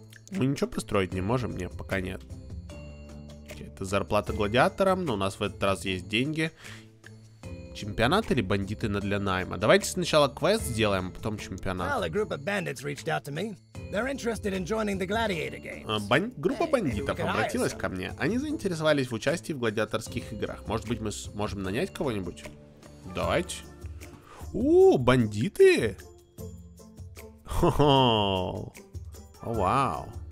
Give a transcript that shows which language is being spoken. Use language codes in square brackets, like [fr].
[ru] Мы ничего построить не можем, нет, пока нет. Это зарплата гладиаторам, но у нас в этот раз есть деньги. Чемпионат или бандиты для найма? Давайте сначала квест сделаем, а потом чемпионат. [en] Well, a group of bandits reached out to me. They're interested in joining the gladiator games. [ru] Группа бандитов обратилась ко мне. Они заинтересовались в участии в гладиаторских играх. Может быть, мы сможем нанять кого-нибудь? Давайте. Ууу, бандиты! Хо-хо! О, вау.